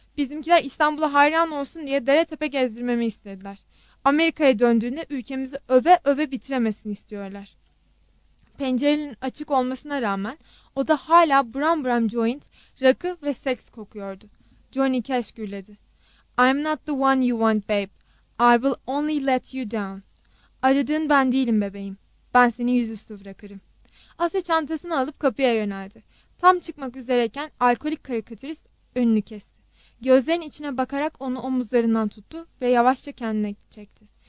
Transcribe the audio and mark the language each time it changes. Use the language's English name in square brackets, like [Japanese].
[Turkish] Bizimkiler İstanbul'a hayran olsun diye dere tepe gezdirmemi istediler. Amerika'ya döndüğünde ülkemizi öve öve bitiremesini istiyorlar. Pencerenin açık olmasına rağmen oda hala buram buram joint, rakı ve seks kokuyordu. Johnny Cash gürledi. [English] I'm not the one you want babe. I will only let you down. [Turkish] Aradığın ben değilim bebeğim. Ben seni yüzüstü bırakırım. Asya çantasını alıp kapıya yöneldi. Tam çıkmak üzereyken alkolik karikatürist önünü kesti. Gözlerinin içine bakarak onu omuzlarından tuttu ve yavaşça kendine çekti.